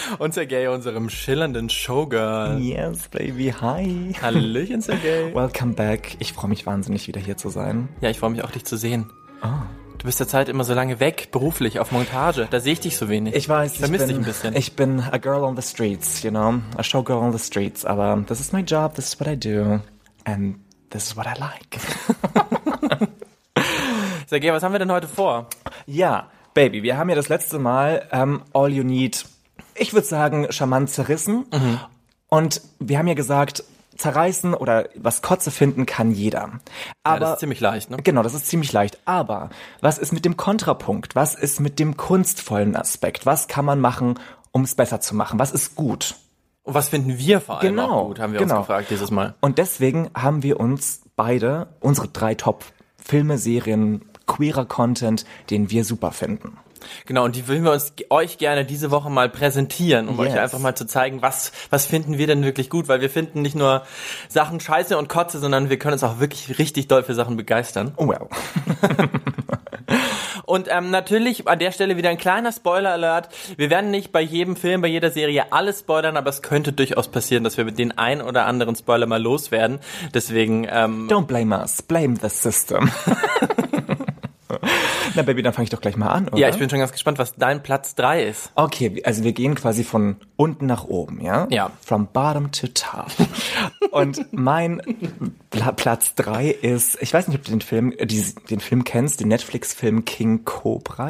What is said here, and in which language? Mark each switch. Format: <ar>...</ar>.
<de>Und Sergej, unserem schillernden Showgirl.</de> <en>Yes, baby, hi.</en> <de>Hallöchen, Sergej.</de> <en>Welcome back.</en> <de>Ich freue mich wahnsinnig, wieder hier zu sein. Ja, ich freue mich auch, dich zu sehen. Oh. Du bist derzeit immer so lange weg, beruflich, auf Montage. Da sehe ich dich so wenig. Ich weiß, ich vermisse dich ein bisschen. Ich bin</de> <en>a girl on the streets, you know? A showgirl on the streets.</en> <de>Aber</de> <en>this is my job, this is what I do. And this is what I like.</en> <de>Sergej, was haben wir denn heute vor? Ja, baby, wir haben ja das letzte Mal All You Need, ich würde sagen, charmant zerrissen. Mhm. Und wir haben ja gesagt, zerreißen oder was Kotze finden kann jeder. Aber ja, das ist ziemlich leicht, ne? Genau, das ist ziemlich leicht. Aber was ist mit dem Kontrapunkt? Was ist mit dem kunstvollen Aspekt? Was kann man machen, um es besser zu machen? Was ist gut? Und was finden wir vor allem genau, auch gut, haben wir genau. uns gefragt dieses Mal. Und deswegen haben wir uns beide, unsere drei Top-Filme, Serien, queerer Content, den wir super finden. Genau, und die würden wir uns euch gerne diese Woche mal präsentieren, um euch einfach mal zu zeigen, was finden wir denn wirklich gut, weil wir finden nicht nur Sachen scheiße und Kotze, sondern wir können uns auch wirklich richtig doll für Sachen begeistern.</de> <en>Oh well.</en> <de>Und natürlich an der Stelle wieder ein kleiner Spoiler-Alert. Wir werden nicht bei jedem Film, bei jeder Serie alles spoilern, aber es könnte durchaus passieren, dass wir mit den ein oder anderen Spoiler mal loswerden. Deswegen,</de> <en>Don't blame us, blame the system.</en> <de>Na Baby, dann fange ich doch gleich mal an, oder? Ja, ich bin schon ganz gespannt, was dein Platz 3 ist. Okay, also wir gehen quasi von unten nach oben, ja? Ja.</de> <en>From bottom to top.</en> <de>Und mein Platz 3 ist, ich weiß nicht, ob du den Film kennst, den Netflix-Film King Cobra.</de>